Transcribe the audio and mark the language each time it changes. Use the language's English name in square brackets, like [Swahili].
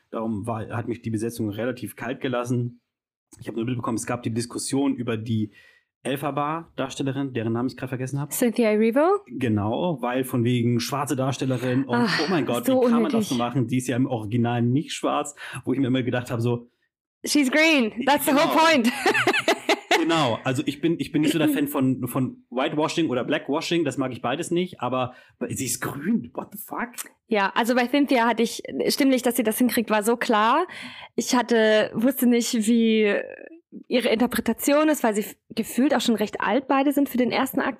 [German] Darum hat mich die Besetzung relativ kalt gelassen. Ich habe nur mitbekommen, es gab die Diskussion über die Elphaba-Darstellerin, deren Namen ich gerade vergessen habe. Cynthia Erivo. Genau, weil von wegen schwarze Darstellerin und ach, oh mein Gott, so wie kann unnötig man das so machen? Die ist ja im Original nicht schwarz, wo ich mir immer gedacht habe, so. [English] She's green, that's genau the whole point. [German] Genau, also ich bin nicht so der Fan von Whitewashing oder Blackwashing, das mag ich beides nicht, aber sie ist grün, [English] what the fuck? [German] Ja, also bei Cynthia hatte ich, stimmlich, dass sie das hinkriegt, war so klar. Ich wusste nicht, wie ihre Interpretation ist, weil sie gefühlt auch schon recht alt beide sind für den ersten Akt.